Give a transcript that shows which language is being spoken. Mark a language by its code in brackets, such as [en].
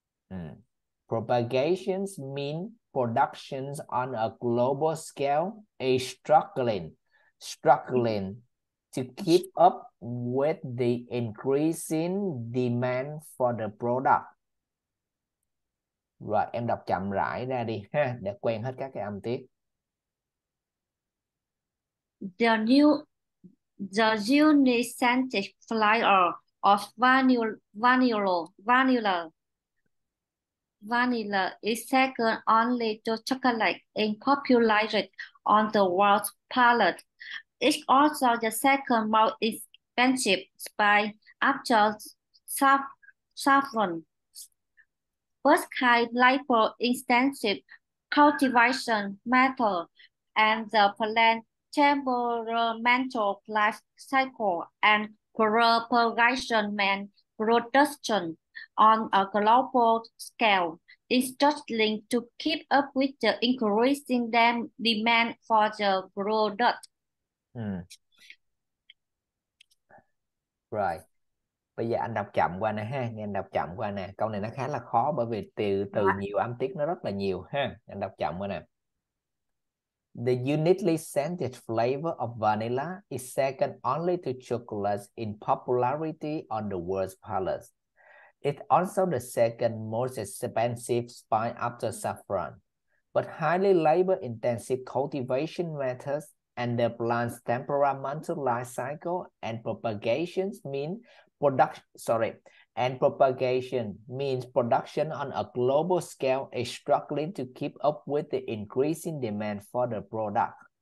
[en] Yeah. Propagations mean productions on a global scale is struggling to keep up with the increasing demand for the product. [vi] Rồi em đọc chậm rãi ra đi ha, để quen hết các cái âm tiết. [en] The unisented flavor of vanilla is second only to chocolate in popularity on the world's palate. It's also the second most expensive spice after saffron. First kind labor intensive cultivation method and the plant temperamental life cycle and propagation and production on a global scale is struggling to keep up with the increasing demand for the product. Right. [vi] Bây giờ anh đọc chậm qua nè ha, nghe anh đọc chậm qua nè. Câu này nó khá là khó bởi vì từ từ Dạ. nhiều âm tiết nó rất là nhiều ha. Anh đọc chậm qua nè. [en] The uniquely scented flavor of vanilla is second only to chocolate in popularity on the world's palate. It's also the second most expensive spice after saffron. But highly labor-intensive cultivation methods and the plant's temperamental life cycle and propagations mean production, sorry, and propagation means production on a global scale is struggling to keep up with the increasing demand for the product.